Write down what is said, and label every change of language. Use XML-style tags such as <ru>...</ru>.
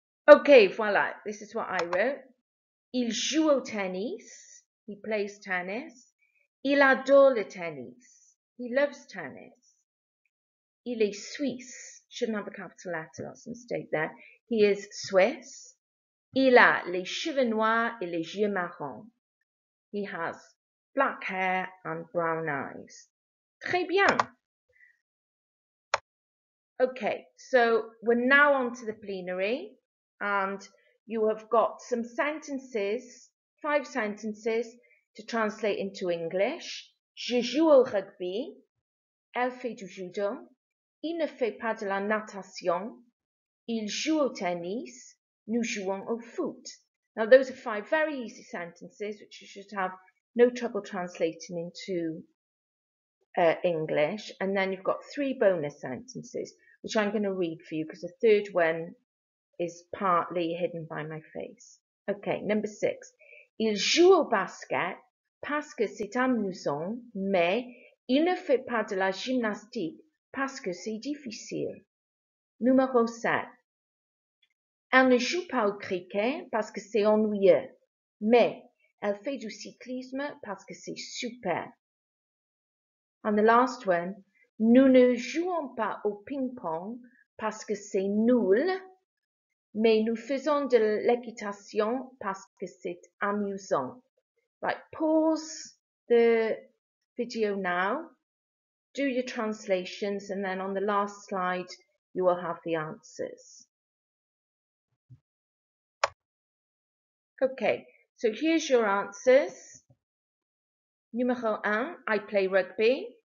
<en>Okay, voila. This is what I wrote.</en> <fr>Il joue au tennis.</fr> <en>He plays tennis.</en> <fr>Il adore le tennis.</fr> <en>He loves tennis.</en> <fr>Il est suisse.</fr> <en>shouldn't have a capital letter, that's a mistake there. He is Swiss.</en> <fr>Il a les cheveux noirs et les yeux marrons.</fr> <en>He has black hair and brown eyes.</en> <fr>Très bien.</fr> <en>Okay, so we're now on to the plenary, and you have got some sentences, five sentences, to translate into English.</en> <fr>Je joue au rugby. Elle fait du judo. Il ne fait pas de la natation. Il joue au tennis. Nous jouons au foot.</fr> <en>Now, those are five very easy sentences, which you should have no trouble translating into English. And then you've got three bonus sentences, which I'm going to read for you, because the third one is partly hidden by my face. Okay, number six.</en> <fr>Il joue au basket parce que c'est amusant, mais il ne fait pas de la gymnastique parce que c'est difficile. Numéro 7. Elle ne joue pas au cricket parce que c'est ennuyeux, mais elle fait du cyclisme parce que c'est super.</fr> <en>And the last one.</en> <fr>Nous ne jouons pas au ping-pong parce que c'est nul, mais nous faisons de l'équitation parce que c'est amusant.</fr> <en>Right, pause the video now, do your translations, and then on the last slide, you will have the answers. Okay, so here's your answers.</en> <fr>Numéro 1,</fr> <en>I play rugby.</en>